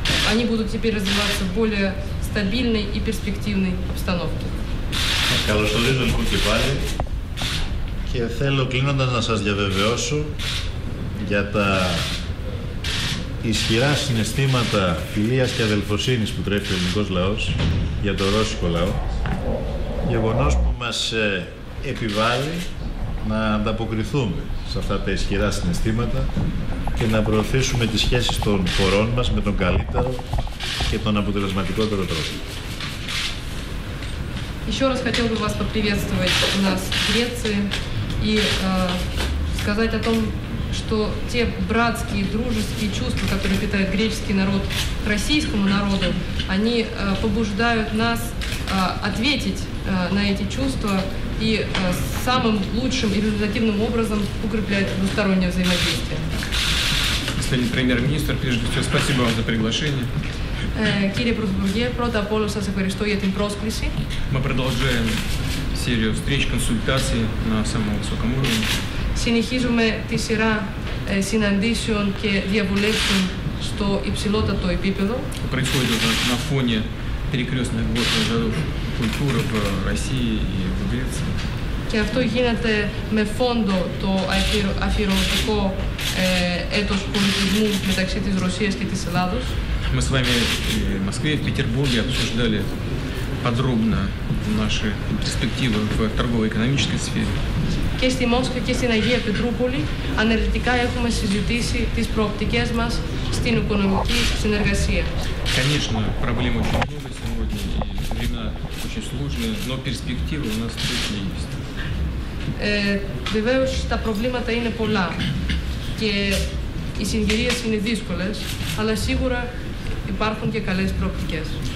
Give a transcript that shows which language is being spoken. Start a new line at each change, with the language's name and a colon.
Russian: Они будут теперь развиваться в более стабильной и перспективной обстановке.
Greek: Καλωσορίζω λοιπόν και πάλι και θέλω κλείνοντας να σας διαβεβαιώσω για τα ισχυρά συναισθήματα φιλίας και αδελφοσύνης που τρέφει ο ελληνικός λαός για το ρώσικο λαό, γεγονός που μας επιβάλλει να ανταποκριθούμε σε αυτά τα ισχυρά συναισθήματα και να προωθήσουμε τις σχέσεις των χωρών μας με τον καλύτερο και τον αποτελεσματικότερο τρόπο.
Russian: Еще раз хотел бы вас поприветствовать у нас в Греции и сказать о том, что те братские, дружеские чувства, которые питает греческий народ к российскому народу, они побуждают нас ответить на эти чувства и самым лучшим и результативным образом укрепляют двустороннее взаимодействие. Господин премьер-министр, прежде всего, спасибо вам за приглашение.
Greek: Κύριε Πρωθυπουργέ, πρώτα απ' όλα σας ευχαριστώ για την πρόσκληση.
Russian: Мы продолжаем серию встреч, консультаций на самом высоком уровне.
Greek: Συνεχίζουμε τη σειρά συναντήσεων και διαβουλεύσεων στο υψηλότατο επίπεδο.
Russian: Происходит это на фоне перекрестных городов культуры в России и в Греции.
Greek: Και αυτό γίνεται με φόντο το αφιερωτικό έτος πολιτισμού μεταξύ της Ρωσίας και της Ελλάδος.
Russian: Мы с вами в Москве и в Петербурге обсуждали подробно наши перспективы в торгово-экономической сфере.
Greek: Και στη Μόσχα και στην Αγία Πετρούπολη αναλυτικά έχουμε συζητήσει τις προοπτικές μας στην οικονομική συνεργασία.
Russian: Конечно, проблем очень много сегодня, времена очень сложные, но перспективы у нас точно есть.
Greek: Βεβαίως τα προβλήματα είναι πολλά και οι συγκυρίες είναι δύσκολες, αλλά σίγουρα υπάρχουν και καλές προοπτικές.